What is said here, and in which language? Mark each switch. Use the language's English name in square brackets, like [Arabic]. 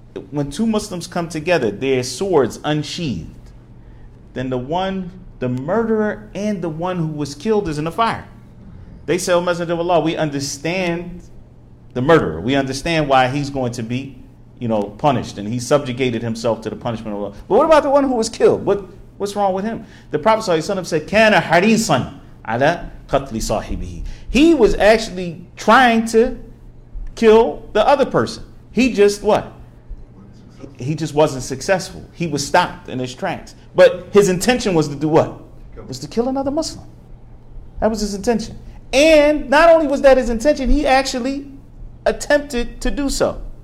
[English] When two Muslims come together, their swords unsheathed, then the murderer and the one who was killed is in the fire. They say, O Messenger of Allah, we understand the murderer. We understand why he's going to be, punished, and he subjugated himself to the punishment of Allah. But what about the one who was killed? What's wrong with him? The Prophet ﷺ said, [Arabic] كَانَ حَرِيصًا عَلَى قَتْلِ صَاحِبِهِ. [English] He was actually trying to kill the other person. He just wasn't successful. He was stopped in his tracks. But his intention was to do what? Was to kill another Muslim. That was his intention. And not only was that his intention, he actually attempted to do so.